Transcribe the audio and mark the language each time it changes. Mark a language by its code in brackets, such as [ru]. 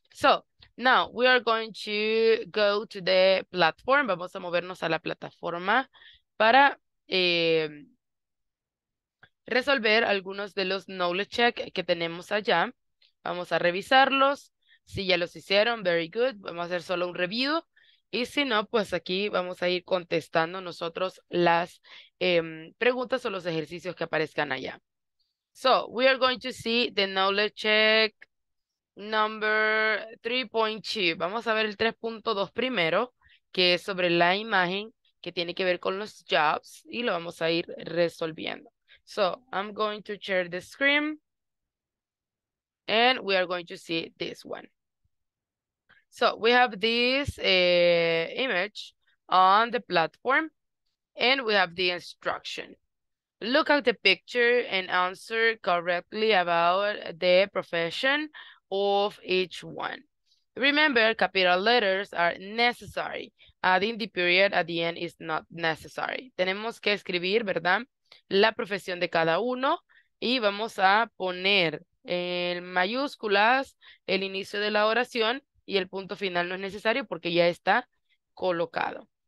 [en] So, now we are going to go to the platform. [es] Vamos a movernos a la plataforma para resolver algunos de los knowledge check que tenemos allá. Vamos a revisarlos. Si ya los hicieron, [en] very good. [es] Vamos a hacer solo un review. Y si no, pues aquí vamos a ir contestando nosotros las preguntas o los ejercicios que aparezcan allá. [en] So, we are going to see the knowledge check number 3.2. [es] Vamos a ver el 3.2 primero, que es sobre la imagen que tiene que ver con los jobs. Y lo vamos a ir resolviendo. [en] So, I'm going to share the screen. And we are going to see this one. So we have this image on the platform and we have the instruction. Look at the picture and answer correctly about the profession of each one. Remember, capital letters are necessary. Adding the period at the end is not necessary. [es] Tenemos que escribir, ¿verdad? La profesión de cada uno y vamos a poner en mayúsculas el inicio de la oración y el punto final no es necesario porque ya está colocado.